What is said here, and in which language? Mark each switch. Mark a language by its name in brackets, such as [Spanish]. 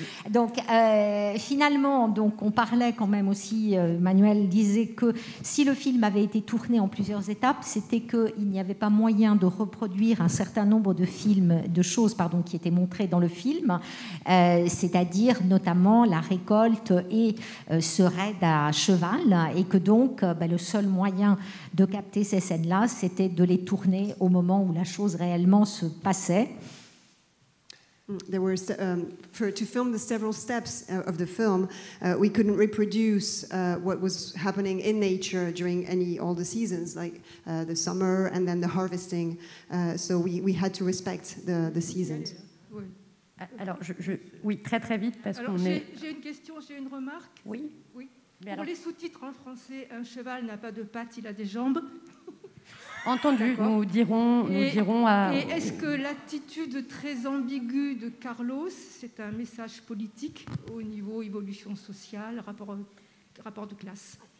[French] Donc, finalement, donc, on parlait quand même aussi, Manuel disait que si le film avait été tourné en plusieurs étapes, c'était qu'il n'y avait pas moyen de reproduire un certain nombre de choses qui étaient montrées dans le film, c'est-à-dire notamment la récolte et ce raid à cheval, et que donc le seul moyen de capter ces scènes-là, c'était de les tourner au moment où la chose réellement se passait. [English] There were to film the several steps of the film, we couldn't reproduce what was happening in nature during all the seasons, like the summer and then the harvesting. So we had to respect the seasons. [French] Alors, oui, très très vite parce alors, qu'on j'ai, est. J'ai une question, j'ai une remarque. Oui. Oui. Mais pour alors... les sous-titres en français, un cheval n'a pas de pattes, il a des jambes. Entendu, d'accord. nous dirons à... Et est-ce que l'attitude très ambiguë de Carlos, c'est un message politique au niveau évolution sociale, rapport de classe?